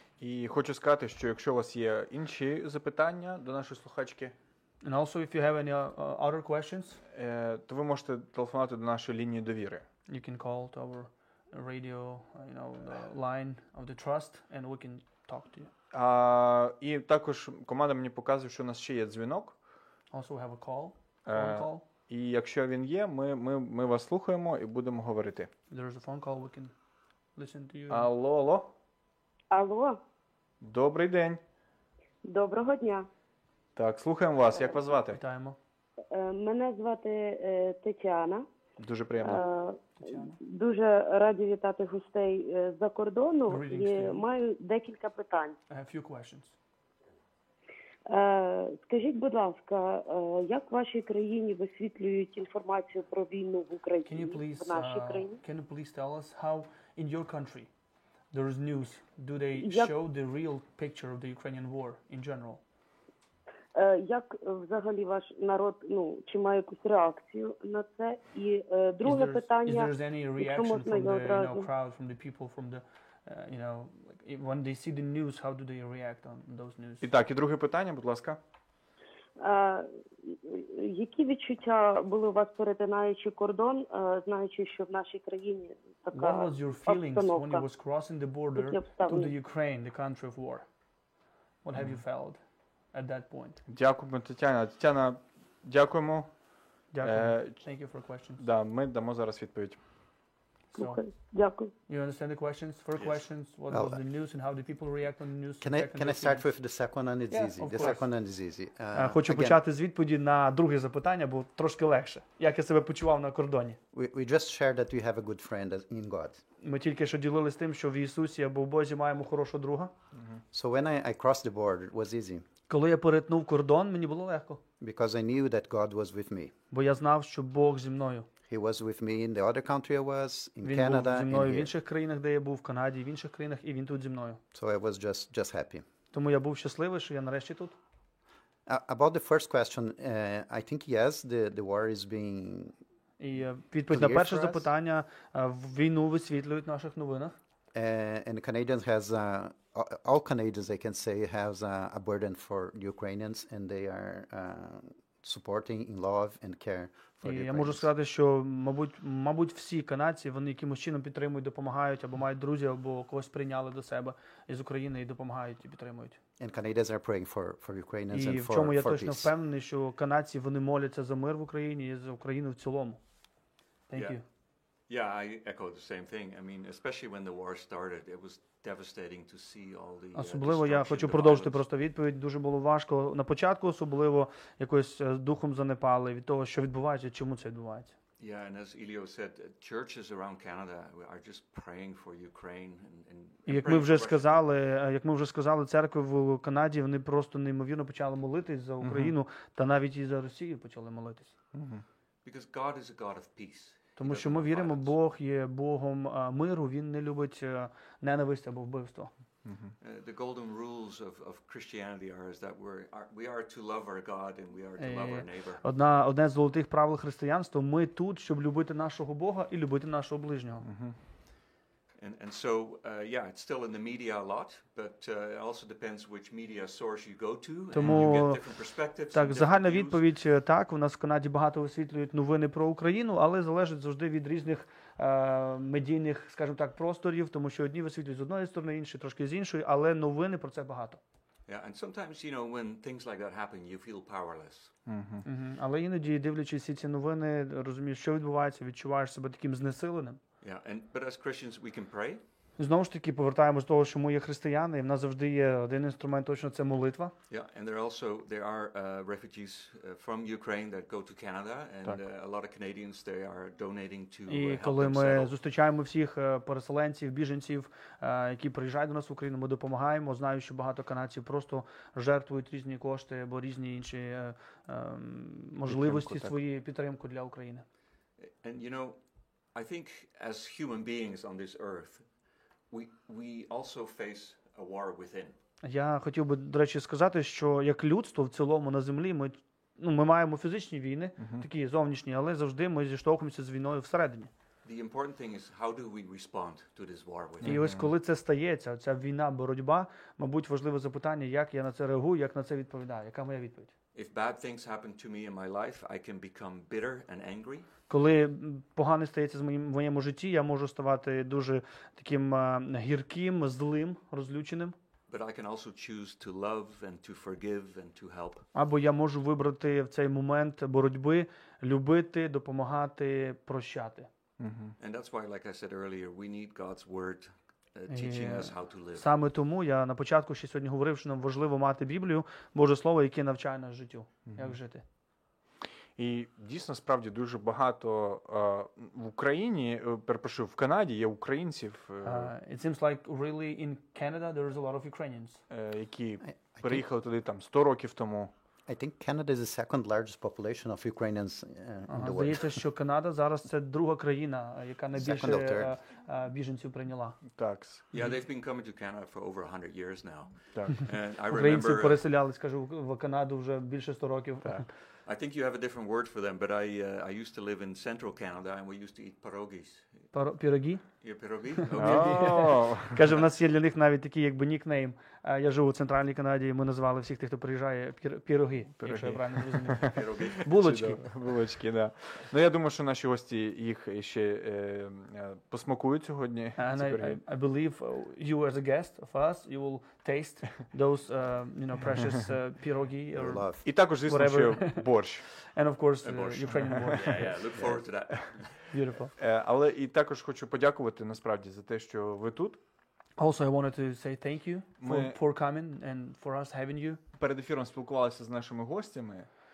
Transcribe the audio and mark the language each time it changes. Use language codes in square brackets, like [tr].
[uk] І хочу сказати, що якщо у вас є інші запитання до нашої слухачки, [en] and also if you have any other questions, [uk] то ви можете телефонувати до нашої лінії довіри. [en] You can call to our radio, you know, the line of the trust, and we can talk to you. [uk] І також команда мені показує, що у нас ще є дзвінок. [en] Also we have a call. [uk] І якщо він є, ми вас слухаємо і будемо говорити. [en] There is a phone call, we can listen to you. [uk] Алло, алло. Алло. Добрий день. Доброго дня. Так, слухаємо вас. Як вас звати? Вітаємо. Мене звати Тетяна. Дуже приємно. Дуже раді вітати гостей з-за кордону. І маю декілька питань. [en] I have a few questions. [uk] Скажіть, будь ласка, як в вашій країні висвітлюють інформацію про війну в Україні? [en] Can you please, [uk] в нашій країні? [en] Can you please tell us how in your country there is news? Do they show the real picture of the Ukrainian war in general? [uk] Як взагалі ваш народ, ну, чи має якусь реакцію на це? І друге питання, [en] is there any reaction from the, you know, crowd, from the people, from the, you know, when they see the news, how do they react on those news? [uk] І так, і друге питання, будь ласка. Які відчуття були у вас, перетинаючи кордон, знаючи, що в нашій країні така [en] What was your feelings when you was crossing the border to the Ukraine, the country of war? What have you felt at that point? [uk] Дякуємо, Тетяна. Тетяна, дякуємо. Дякую. [en] Thank you for questions. [uk] Да, ми дамо зараз відповідь. [en] So, okay. [uk] Дякую. [en] You understand the questions? Four yes. Questions. What was the news and how do people react on the news? Can I start with the second one? It's yeah, easy. Of the course. Second one is easy. [uk] Хочу [en] again. [uk] Почати з відповіді на друге запитання, бо трошки легше. Як я себе почував на кордоні? [en] We just shared that we have a good friend in God. [uk] Ми тільки що ділились тим, що в Ісусі або в Бозі маємо хорошого друга. [en] So when I crossed the border, it was easy. [uk] Коли я перетнув кордон, мені було легко. [en] Because I knew that God was with me. [uk] Бо я знав, що Бог зі мною. [en] He was with me in the other country I was, in [uk] він [en] Canada, [uk] зі мною, [en] in here. [uk] В інших країнах, де я був, в Канаді, в інших країнах, і він тут зі мною. [en] So I was just happy. [uk] Тому я був щасливий, що я нарешті тут. [en] About the first question, I think yes, the war is being [uk] і відповідь на перше запитання, війну висвітлюють в наших новинах. [en] And the Canadians has all Canadians, I can say, has a burden for Ukrainians, and they are supporting in love and care. [uk] І я можу сказати, що, мабуть, всі канадці, вони якимось чином підтримують, допомагають, або мають друзі, або когось прийняли до себе із України і допомагають, і підтримують. [en] And Canadians are praying for Ukrainians [uk] і [en] and for [uk] в чому я точно [en] peace. [uk] Впевнений, що канадці, вони моляться за мир в Україні і за Україну в цілому. [en] Thank yeah. you. Yeah, I echo the same thing. I mean, especially when the war started, it was devastating to see all the [uk] особливо я хочу продовжити просто відповідь. Дуже було важко на початку, особливо якось духом занепали від того, що відбувається, чому це відбувається. [en] Yeah, and as Ilio said, churches around Canada are just praying for Ukraine and [uk] як ми вже сказали, церкви в Канаді, вони просто неймовірно почали молитись за Україну та навіть і за Росію почали молитись. [en] Because God is a God of peace. [uk] Тому що ми віримо, Бог є Богом миру, він не любить ненависть або вбивство. [en] The golden rules of Christianity are that we are to love our God and we are to love our neighbor. [uk] Одне з золотих правил християнства: ми тут, щоб любити нашого Бога і любити нашого ближнього. [en] And so, yeah, it's still in the media a lot, but it also depends which media source you go to, [uk] тому, [en] and you get different perspectives. [uk] Так, загальна відповідь, так, у нас в Канаді багато освітлюють новини про Україну, але залежить завжди від різних медійних, скажімо так, просторів, тому що одні висвітлюють з одної сторони, інші трошки з іншої, але новини про це багато. [en] Yeah, and sometimes, you know, when things like that happen, you feel powerless. [uk] Але іноді, дивлячись всі ці новини, розумієш, що відбувається, відчуваєш себе таким знесиленим. [en] Yeah, and but as Christians we can pray. [uk] Знову ж таки, повертаємось до того, що ми є християни, і в нас завжди є один інструмент, точно це молитва. [en] Yeah, and there are refugees from Ukraine that go to Canada, and a lot of Canadians, they are donating to help themselves. [uk] І коли ми зустрічаємо всіх переселенців, біженців, які приїжджають до нас в Україну, ми допомагаємо. Знаю, що багато канадців просто жертвують різні кошти або різні інші можливості свої, підтримку для України. [en] And you know, I think as human beings on this earth, we also face a war within. [uk] Я хотів би, до речі, сказати, що як людство в цілому на землі ми маємо фізичні війни, такі зовнішні, але завжди ми зіштовхуємося з війною всередині. [en] The important thing is how do we respond to this war within. [uk] І ось коли це стається, ця війна, боротьба, мабуть, важливе запитання, як я на це реагую, як на це відповідаю, яка моя відповідь? [en] If bad things happen to me in my life, I can become bitter and angry. [uk] Коли погане стається з моїм в моєму житті, я можу ставати дуже таким гірким, злим, розлюченим. [en] But I can also choose to love and to forgive and to help. [uk] Або я можу вибрати в цей момент боротьби любити, допомагати, прощати. [en] And that's why, like I said earlier, we need God's word teaching us how to live. [uk] Саме тому я на початку ще сьогодні говорив, що нам важливо мати Біблію, Боже слово, яке навчає нас життю, як жити. І дійсно, справді, дуже багато в Україні, перепрошую, в Канаді є українців. [en] It seems like really in Canada there is a lot of Ukrainians. [uk] Які переїхали туди там 100 років тому. [en] I think Canada is the second largest population of Ukrainians in the world. [uk] Здається, що Канада зараз це друга країна, яка найбільше біженців прийняла. Так. [en] Yeah, they've been coming to Canada for over 100 years now. [uk] Так. Українці переселялись, скажу, в Канаду вже більше 100 років. Так. [en] I think you have a different word for them, but I used to live in central Canada and we used to eat pierogies. [uk] Пироги? Є пироги? Каже, в нас є для них навіть такий якби нікнейм. Я живу в центральній Канаді, ми називали всіх тих, хто приїжджає, пироги. Якщо я правильно розумію. Булочки. Булочки, да. Ну я думаю, що наші гості їх ще посмакують сьогодні. [en] I believe you as a guest of us, you will taste those you know precious пироги or [uk] love. І також звісно, що борщ. [en] And of course Ukrainian borscht. Yeah, look forward to that. Beautiful. [uk] Але і також хочу подякувати насправді за те, що ви тут. [en] Also I wanted to say thank you for coming and for us having you. [uk] Перед ефіром спілкувалися з нашими гостями.